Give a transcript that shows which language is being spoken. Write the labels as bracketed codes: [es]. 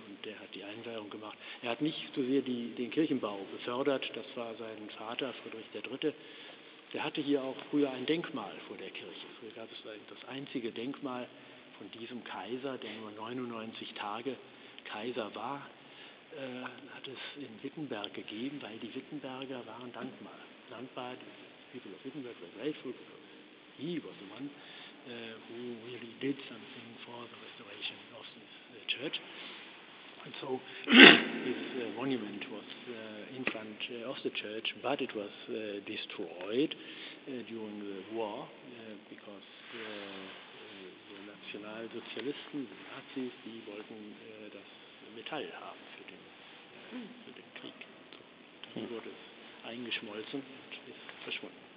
[de] Und der hat die Einweihung gemacht. Er hat nicht so sehr den Kirchenbau befördert, das war sein Vater Friedrich III., Der hatte hier auch früher ein Denkmal vor der Kirche. Früher gab es das einzige Denkmal von diesem Kaiser, der nur 99 Tage Kaiser war, hat es in Wittenberg gegeben, weil die Wittenberger waren dankbar. Dankbar, die [en] people of Wittenberg were grateful because he was the one who really did something for the restoration of the church. And so his monument was in front of the church, but it was destroyed during the war because the Nationalsozialisten, the Nazis, [de] die wollten das Metall haben für den Krieg. So, dann wurde es eingeschmolzen und ist verschwunden.